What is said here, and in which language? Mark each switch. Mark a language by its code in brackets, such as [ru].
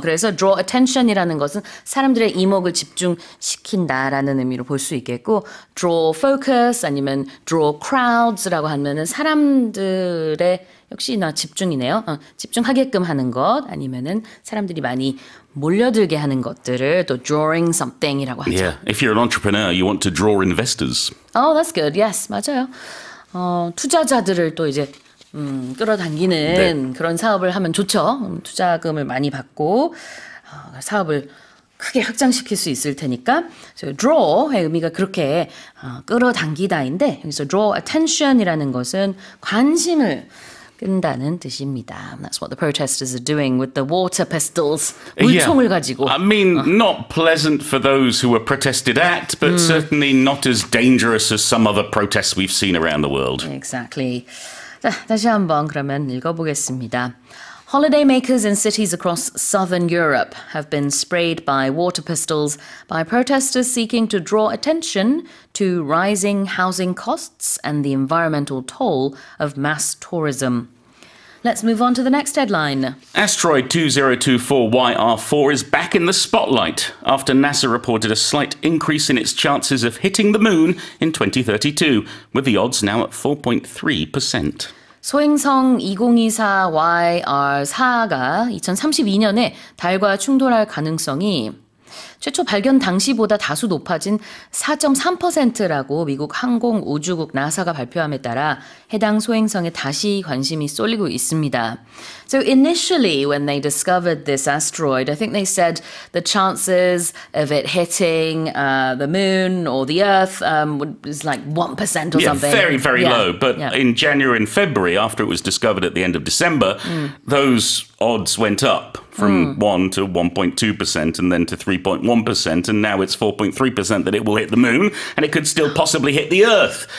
[ko] 그래서 [en] draw attention [ko] 이라는 것은 사람들의 이목을 집중시킨다라는 의미로 볼 수 있겠고 [en] draw focus [ko] 아니면 [en] draw crowds [ko] 라고 하면은 사람들의 역시나 집중이네요. 집중하게끔 하는 것 아니면은 사람들이 많이 몰려들게 하는 것들을 또 [en] drawing something [ko] 이라고 하죠. [en] Yeah, if you're an entrepreneur, you want to draw investors. Oh, that's good. Yes, [ko] 맞아요. 투자자들을 또 이제 끌어당기는 네. 그런 사업을 하면 좋죠. 투자금을 많이 받고 사업을 크게 확장시킬 수 있을 테니까 so draw의 의미가 그렇게 끌어당기다인데 여기서 [en] draw attention [ko] 이라는 것은 관심을 끈다는 뜻입니다. [en] That's what the protesters are doing with the water pistols. [ko] 물총을 가지고. [en] I mean, not pleasant for those who were protested at, but certainly not as dangerous as some other protests we've seen around the world. Exactly. [ko] 자, 다시 한번 그러면 읽어보겠습니다. [en] Holidaymakers in cities across southern Europe have been sprayed by water pistols by protesters seeking to draw attention to rising housing costs and the environmental toll of mass tourism. Let's move on to the next headline. Asteroid 2024YR4 is back in the spotlight after NASA reported a slight increase in its chances of hitting the moon in 2032, with the odds now at 4.3%. [ko] 소행성 2024YR4가 2032년에 달과 충돌할 가능성이 최초 발견 당시보다 다소 높아진 4.3%라고 미국 항공우주국 NASA가 발표함에 따라 해당 소행성에 다시 관심이 쏠리고 있습니다. [en] So initially when they discovered this asteroid, I think they said the chances of it hitting the moon or the earth was like 1% or something. Yeah, very, very low. But in January and February, after it was discovered at the end of December, those odds went up from 1 to 1.2% and then to 3.1%, and now it's 4.3% that it will hit the moon, and it could still possibly hit the Earth.